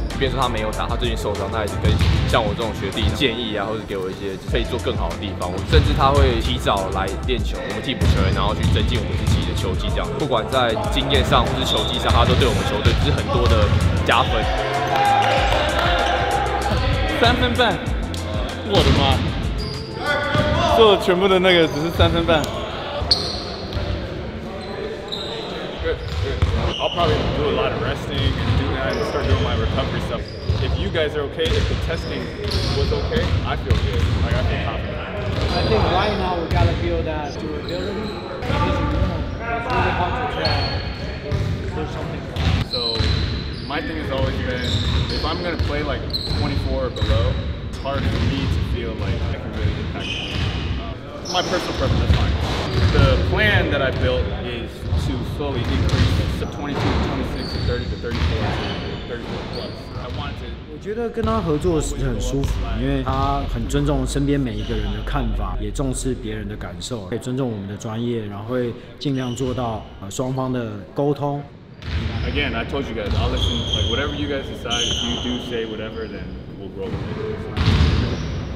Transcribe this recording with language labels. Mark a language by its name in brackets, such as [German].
[Chinese] 即便说他没有打，他最近受伤，他也是跟像我这种学弟建议啊，或者给我一些可以做更好的地方。我甚至他会提早来练球，我们替补球员，然后去增进我们自己的球技这样。不管在经验上或是球技上，他都对我们球队就是很多的加分。 3分半，我的妈！做了全部的那个只是3分半。 [English] I'll probably do a lot of resting and doing that and start doing my recovery stuff. If you guys are okay, if the testing was okay, I feel good. Like I feel confident. I think right now we gotta build that durability. It's really hard to tell. There's something. So my thing has always been, if I'm gonna play like 24 or below, it's hard for me to feel like I can really impact. My personal preference is fine. The plan that I built is to slowly increase to 22, 26, 30 to 34, 34 plus. [Chinese] 我觉得跟他合作是很舒服，因为他很尊重身边每一个人的看法，也重视别人的感受，也尊重我们的专业，然后会尽量做到双方的沟通。 [English] Again, I told you guys, I'll listen. Like whatever you guys decide, if you do say whatever, then we'll roll with it.